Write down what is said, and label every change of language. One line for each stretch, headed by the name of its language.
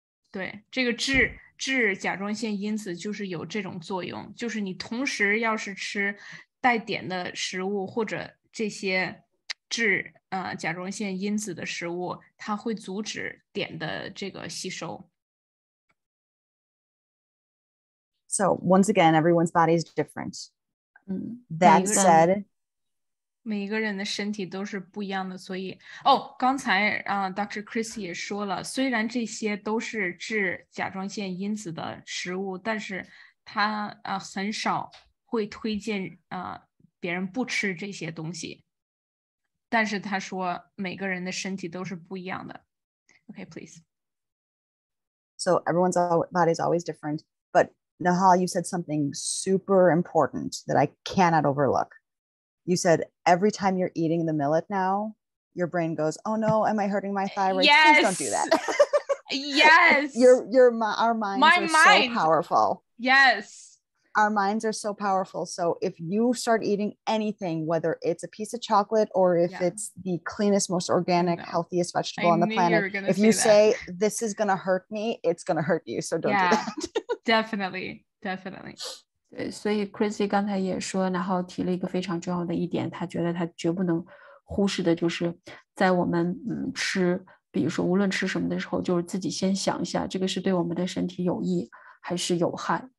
Chinese: 对，这个致甲状腺因子就是有这种作用，就是你同时要是吃带碘的食物或者这些致甲状腺因子的食物，它会阻止碘的这个吸收。
English: So once again, everyone's body is different. That said,
Chinese: 每一个人的身体都是不一样的，所以刚才Dr. Chris 也说了，虽然这些都是治甲状腺因子的食物，但是他很少会推荐别人不吃这些东西。但是他说每个人的身体都是不一样的。
English: Okay, please. So everyone's body is always different, but Nahal, you said something super important that I cannot overlook. You said every time you're eating the millet now, your brain goes, oh no, am I hurting my thyroid? Yes. Please don't do that. Yes. Our minds are so powerful. Yes. Our minds are so powerful. So if you start eating anything, whether it's a piece of chocolate or if it's the cleanest, most organic, healthiest vegetable on the planet, if you say this is going to hurt me, it's going to hurt you. So don't do that. Definitely. Definitely.
Chinese: 所以 Chrissy 刚才也说，然后提了一个非常重要的一点，他觉得他绝不能忽视的，就是在我们吃，比如说无论吃什么的时候，就是自己先想一下，这个是对我们的身体有益还是有害？